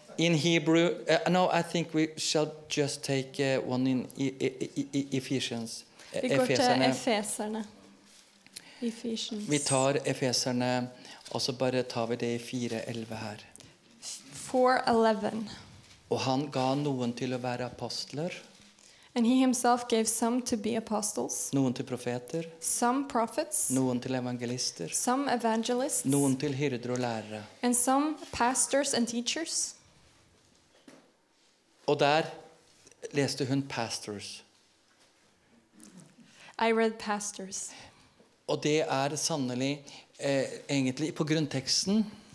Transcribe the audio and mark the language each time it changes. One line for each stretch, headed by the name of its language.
English: In Hebrew, no, I think we shall just take one in Ephesians.
Norwegian: Vi går til Efeserne. Ephesians. Vi tar Efeserne, og så bare tar vi det i 4:11 her. 4:11. Og han ga noen til å være apostler.
English: And he himself gave some to be apostles.
Norwegian: Noen til profeter.
English: Some prophets.
Norwegian: Noen til evangelister.
English: Some evangelists.
Norwegian: Noen til hyrder og lærere.
English: And some pastors and teachers.
Norwegian: Og der leste hun pastors.
English: I read pastors.
Norwegian: Og det er sannelig egentlig på grunnteksten.